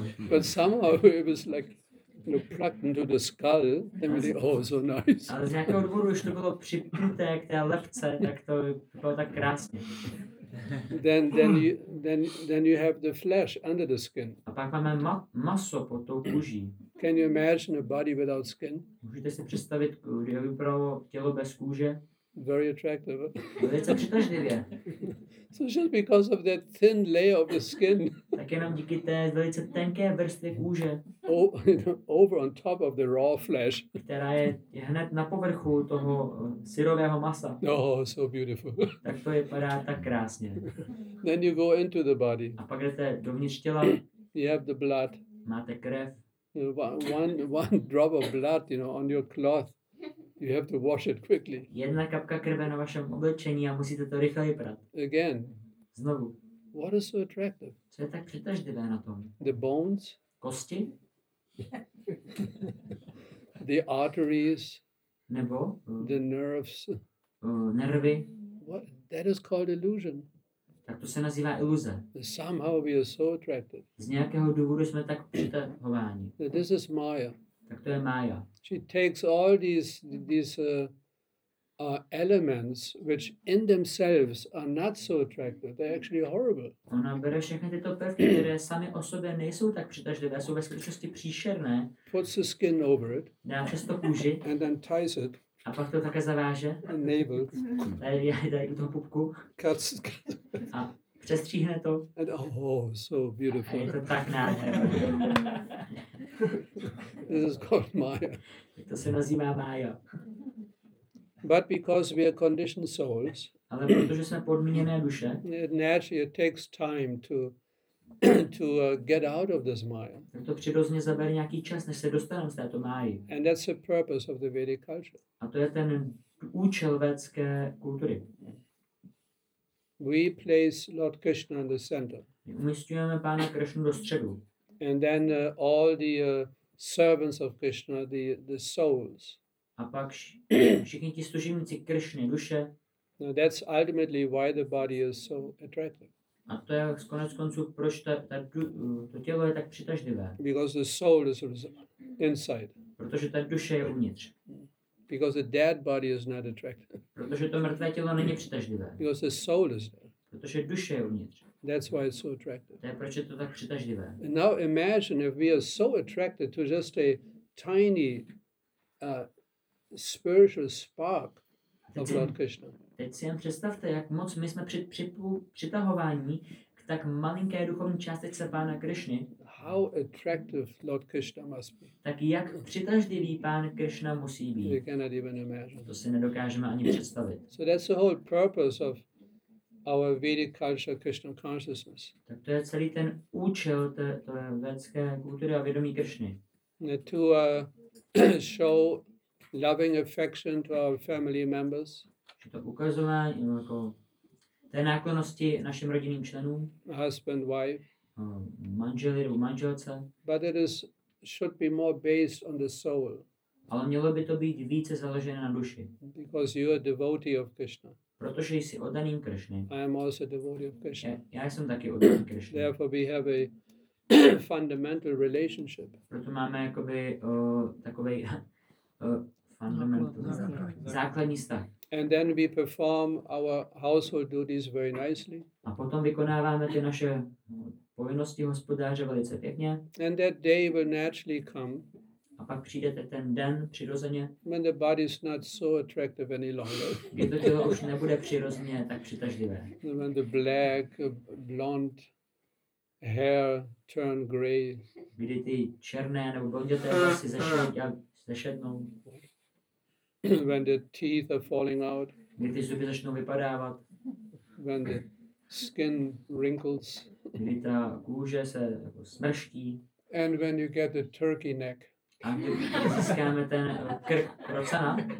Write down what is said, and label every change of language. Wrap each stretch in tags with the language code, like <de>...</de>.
<en>But somehow it was like, you know, plucked into the skull. Then we think, oh, so nice.</en> <cs>Ale z nějakého důvodu už to bylo připnuté k té lebce, tak to bylo tak krásně.</cs> <en>Then you have the flesh under the skin.</en> <cs>A pak máme maso pod tou kůží.</cs> <en>Can you imagine a body without skin?</en> <cs>Můžete si představit, kdy je vypadalo tělo bez kůže?</cs> <en>Very attractive.</en> <cs>Velice přitažlivě.</cs> <en>So just because of that thin layer of the skin.</en> <cs>Tak jenom díky té velice tenké vrstvě kůže.</cs> <en>Over on top of the raw flesh.</en> <cs>Která je hned na povrchu toho syrového masa.</cs> <en>Oh, so beautiful.</en> <cs>Tak to vypadá tak krásně.</cs> <en>Then you go into the body.</en> <cs>A pak jdete dovnitř těla.</cs> <en>You have the blood.</en> <cs>Máte krev.</cs> <en>one drop of blood, you know, on your cloth, you have to wash it quickly.</en> <cs>Jedna kapka krve na vašem oblečení a musíte to rychle vyprat.</cs> <en>Again.</en> <cs>Znovu.</cs> <en>What is so attractive?</en> <cs>Co je tak přitažlivé na tom?</cs> <en>The bones.</en> <cs>Kosti.</cs> <en>The arteries.</en> <cs>Nebo.</cs> <en>The nerves.</en> <cs>Nervy.</cs> <en>What? That is called illusion.</en> <cs>Tak to se nazývá iluze.</cs> <en>Somehow we are so attracted.</en> <cs>Z nějakého důvodu jsme tak přitahováni.</cs> <en>This is Maya.</en> <cs>Tak to je Maya.</cs> <en>She takes all these elements which in themselves are not so attractive. They're actually horrible.</en> <cs>Ona bere všechny tyto prvky, které sami o sobě nejsou tak přitažlivé, jsou ve skutečnosti příšerné.</cs> <en>Puts the skin over it.</en> <cs>Dá přes to kůži.</cs> <en>And then ties it.</en> <cs>A pak to také zaváže.</cs> <en>Enabled.</en> <cs>Dají do toho pupku.</cs> <en>Cuts.</en> <cs>A přestříhne to.</cs> <en>And oh, so beautiful.</en> <cs>A je to tak nádherné.</cs> <en>This is called Maya.</en> <cs>To se nazývá Maya.</cs> <en>But because we are conditioned souls,</en> <cs>ale protože jsme podmíněné duše,</cs> <en>it naturally takes time to get out of this Maya.</en> <cs>To přirozeně zabere nějaký čas, než se dostaneme z této Máji.</cs> <en>And that's the purpose of the Vedic culture.</en> <cs>A to je ten účel védské kultury.</cs> <en>We place Lord Krishna in the center.</en> <cs>Umisťujeme Pána Krishnu do středu.</cs> <en>And then all the servants of Krishna, the souls.</en> <cs>A pak všichni ti služebníci Krishny, duše.</cs> <en>Now that's ultimately why the body is so attractive.</en> <cs>A to je konec konců, proč to tělo je tak přitažlivé.</cs> <en>Because the soul is inside.</en> <cs>Protože ta duše je uvnitř.</cs> <en>Because the dead body is not attractive.</en> <cs>Protože to mrtvé tělo není přitažlivé.</cs> <en>Because the soul is there.</en> <cs>Protože duše je uvnitř.</cs> <en>That's why it's so attractive.</en> <cs>To je, proč je to tak přitažlivé.</cs> <en>And now imagine if we are so attracted to just a tiny spiritual spark of Lord Krishna.</en> <cs>Teď si jen představte, jak moc my jsme přitahováni k tak malinké duchovní částice Pána Krishny.</cs> <en>How attractive Lord Krishna must be.</en> <cs>Tak jak přitažlivý Pán Krishna musí být.</cs> <en>We cannot even imagine.</en> <cs>To si nedokážeme ani představit.</cs> <en>So that's the whole purpose of our Vedic culture, Krishna consciousness.</en> <cs>Tak to je celý ten účel té védské kultury a vědomí Krishny.</cs> <en>To show loving affection to our family members.</en> <cs>Že to ukazuje jako té náklonosti našim rodinným členům.</cs> <en>Husband, wife.</en> <cs>Manželi nebo manželce.</cs> <en>But it is should be more based on the soul.</en> <cs>Ale mělo by to být více založené na duši.</cs> <en>Because you are devotee of Krishna.</en> <cs>Protože jsi oddaným Krishny.</cs> <en>I am also devotee of Krishna.</en> <cs>Já jsem taky oddaný Krishna.</cs> <en>Therefore we have a fundamental relationship.</en> <cs>Proto máme jakoby takovej fundamental základní vztah.</cs> <en>And then we perform our household duties very nicely.</en> <cs>A potom vykonáváme ty naše povinnosti hospodáře velice pěkně.</cs> <en>And that day will naturally come.</en> <cs>A pak přijdete ten den přirozeně.</cs> <en>When the body is not so attractive any longer.</en> <cs>Kdy to tělo už nebude přirozeně tak přitažlivé.</cs> <en>When the black, blonde hair turn gray.</en> <cs>Kdy ty černé nebo blonděté vlasy zešednou.</cs> <en>When the teeth are falling out.</en> <cs>Kdy ty zuby začnou vypadávat.</cs> <en>When the skin wrinkles.</en> <cs>Kdy ta kůže se smrští.</cs> <en>And when you get the turkey neck.</en> <cs>A když získáme ten krk krocana.</cs>